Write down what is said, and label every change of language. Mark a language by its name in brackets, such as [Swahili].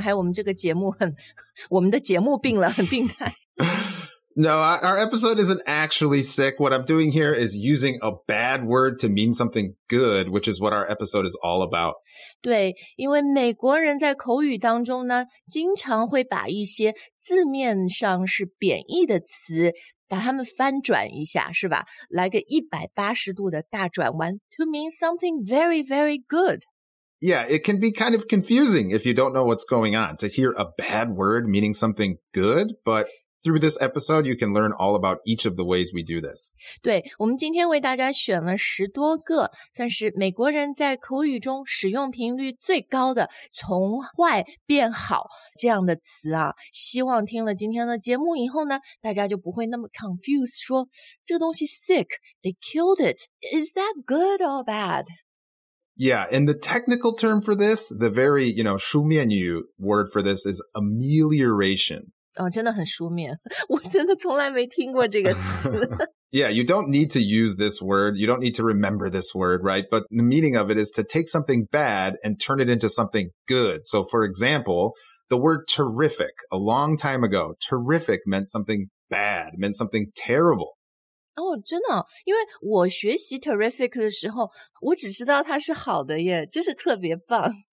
[Chinese] 还有我们这个节目很，我们的节目病了，很病态。 [English] No, our episode isn't actually sick. What I'm doing here is using a bad word to mean something good, which is what our episode is all about. [Chinese] 对，因为美国人在口语当中呢，经常会把一些字面上是贬义的词，把它们翻转一下，是吧？来个180度的大转弯 [English] to mean something very, very good. Yeah, it can be kind of confusing if you don't know what's going on to hear a bad word meaning something good, but through this episode, you can learn all about each of the ways we do this. [Chinese] 对，我们今天为大家选了十多个，算是美国人在口语中使用频率最高的从坏变好这样的词啊。希望听了今天的节目以后呢，大家就不会那么 confused 说这个东西 sick, [English] they killed it. Is that good or bad? Yeah, and the technical term for this, the very, you know, 书面语 word for this is amelioration. [Chinese] 哦，真的很书面，我真的从来没听过这个词。 [English] Yeah, you don't need to use this word. You don't need to remember this word, right? But the meaning of it is to take something bad and turn it into something good. So, for example, the word terrific, a long time ago, terrific meant something bad, meant something terrible. [Chinese] 哦，真的，因为我学习 terrific 的时候，我只知道它是好的耶，就是特别棒。